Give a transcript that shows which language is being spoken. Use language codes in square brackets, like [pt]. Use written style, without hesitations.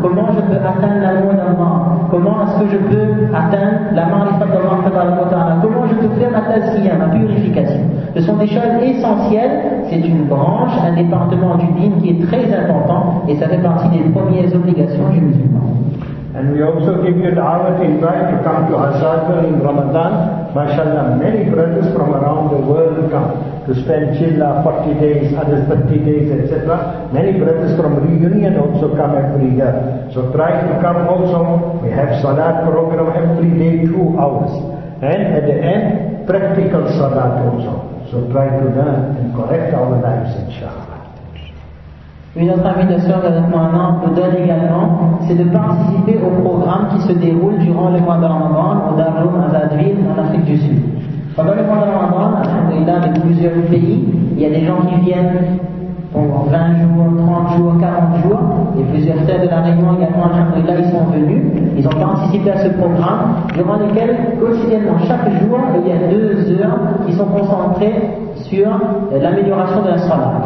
[fr] Comment je peux atteindre l'amour d'Allah? Comment est-ce que je peux atteindre la marifat d'Allah? Comment je peux faire ma tazkiyah, ma purification? Ce sont des choses essentielles. C'est une branche, un département du dîn qui est très important et ça fait partie des premières obligations du musulman. [en] And we also give you da'wah to invite to come to Azadar in Ramadan. MashaAllah, many brothers from around the world come to spend chillah 40 days, others 30 days, etc. Many brothers from reunion also come every year. So try to come also. We have salat program every day, 2 hours. And at the end, practical salat also. So try to learn and correct our lives, inshallah. [fr] Une autre invitation qu'avec moi un an nous donne également, c'est de participer au programme qui se déroule durant le mois de Ramadan au Darul Azadvin en Afrique du Sud. Pendant le mois de Ramadan, alhamdulillah, de plusieurs pays, il y a des gens qui viennent pour 20 jours, 30 jours, 40 jours, et plusieurs frères de la région également, alhamdulillah, ils sont venus, ils ont participé à ce programme, durant lequel, quotidiennement, chaque jour, il y a 2 heures qui sont concentrées sur l'amélioration de la salat.